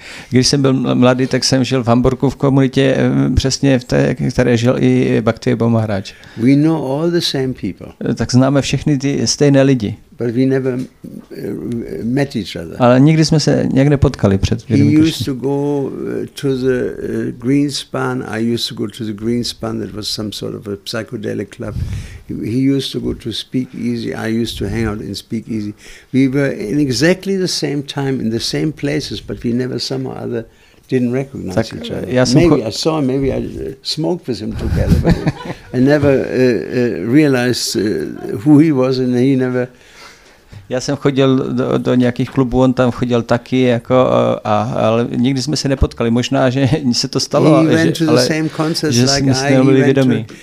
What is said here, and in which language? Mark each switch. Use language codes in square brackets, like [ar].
[cs] Když jsem byl mladý, tak jsem žil v Hamburku v komunitě přesně v té, které žil i Bhakti Bhava Maharaj. [en] We know all the same people. [cs] Tak známe všechny ty stejné lidi. [en] But we never met each other. [cs] Ale nikdy jsme se nějak nepotkali před. [en] He used to go to the Greenspan. I used to go to the Greenspan. That was some sort of a psychedelic club He used to go to speak easy. I used to hang out in speak easy. We were in exactly the same time in the same places, but we never somehow other didn't recognize [cs] tak [en] each other. I saw him, maybe I smoked with him together, but I never realized who he was, and he never. [cs] Já jsem chodil do nějakých klubů, on tam chodil taky, jako, ale nikdy jsme se nepotkali. Možná, že se to stalo, že jsme se nebyli vědomí.